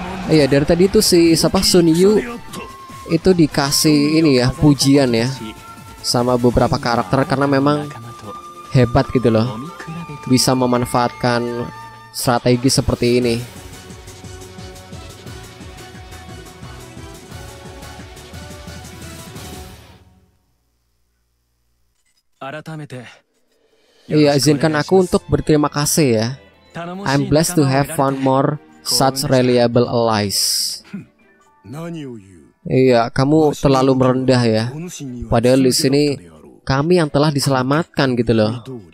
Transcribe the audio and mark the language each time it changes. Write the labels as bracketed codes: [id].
[id] Iya, dari tadi itu si siapa Sun Yu itu dikasih ini ya, pujian ya sama beberapa karakter karena memang hebat gitu loh, bisa memanfaatkan strategi seperti ini. Iya, izinkan aku untuk berterima kasih ya. [en] I'm blessed to have found more such reliable allies. [id] Iya, kamu terlalu merendah ya. Padahal di sini kami yang telah diselamatkan gitu loh.